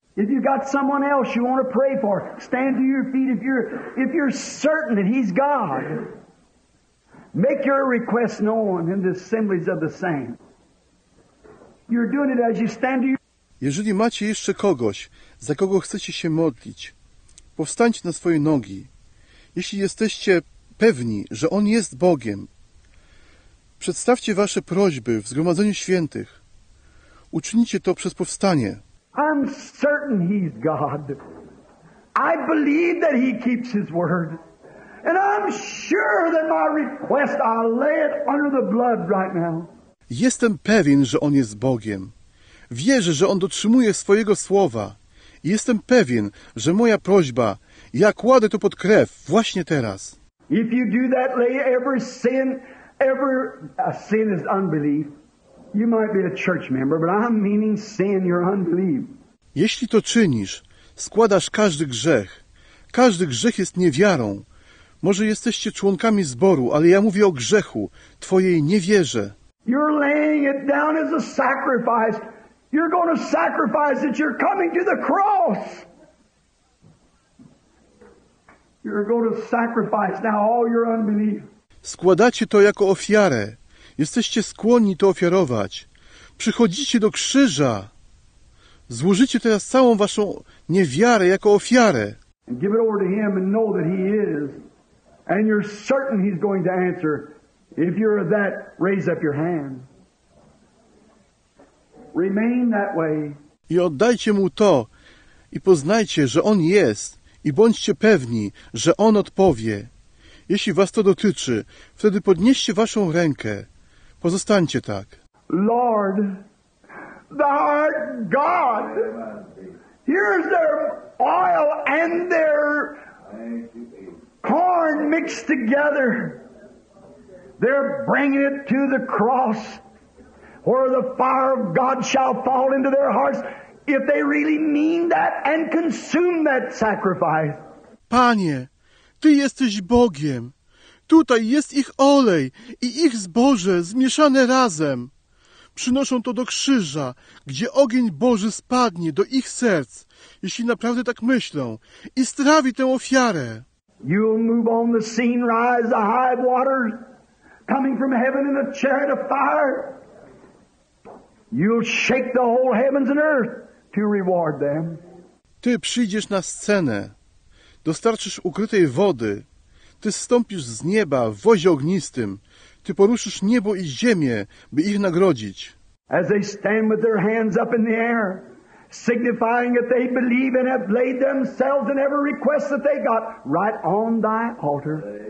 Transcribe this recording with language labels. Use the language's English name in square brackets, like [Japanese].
[English] If you've got someone else you want to pray for, stand to your feet if you're certain that He's God. Make your request known in the assemblies of the saints. You're doing it as you stand to your... [Polish] Jeżeli macie jeszcze kogoś, za kogo chcecie się modlić, powstańcie na swoje nogi. Jeśli jesteście pewni, że On jest Bogiem, przedstawcie wasze prośby w Zgromadzeniu Świętych. Uczynicie to przez powstanie. [English] I'm certain He's God. I believe that He keeps His word. And I'm sure that my request, I'll lay it under the blood right now. [Polish] Jestem pewien, że On jest Bogiem. Wierzę, że On dotrzymuje swojego słowa. Jestem pewien, że moja prośba, ja kładę to pod krew właśnie teraz. [English] If you do that, lay every sin, every sin is unbelief. You might be a church member, but I'm meaning sin, your unbelief. [Polish] Jeśli to czynisz, składasz każdy grzech. Każdy grzech jest niewiarą. Może jesteście członkami zboru, ale ja mówię o grzechu, twojej niewierze. [English] You're laying it down as a sacrifice. You're going to sacrifice it. You're coming to the cross. You're going to sacrifice now all your unbelief. [Polish] Składacie to jako ofiarę. Jesteście skłonni to ofiarować. Przychodzicie do krzyża. Złożycie teraz całą waszą niewiarę jako ofiarę. [English] And give it over to Him and know that He is. And you're certain He's going to answer. If you're that, raise up your hand. Remain that way. [Polish] I oddajcie Mu to i poznajcie, że On jest i bądźcie pewni, że On odpowie. Jeśli was to dotyczy, wtedy podnieście waszą rękę. Pozostańcie tak. [English] Lord, Thou art God. Here's their oil and their corn mixed together. They're bringing it to the cross. Where the fire of God shall fall into their hearts, if they really mean that and consume that sacrifice. [Polish] Panie, Ty jesteś Bogiem. Tutaj jest ich olej i ich zboże zmieszane razem. Przynoszą to do krzyża, gdzie ogień Boży spadnie do ich serc, jeśli naprawdę tak myślą, i strawi tę ofiarę. [English] You'll move on the scene, rise the high waters, coming from heaven in a chariot of fire. You'll shake the whole heavens and earth to reward them. [Polish] Ty przyjdziesz na scenę. Dostarczysz ukrytej wody. Ty zstąpisz z nieba w wozie ognistym. Ty poruszysz niebo i ziemię, by ich nagrodzić. [English] As they stand with their hands up in the air, signifying that they believe and have laid themselves in every request that they got right on thy altar.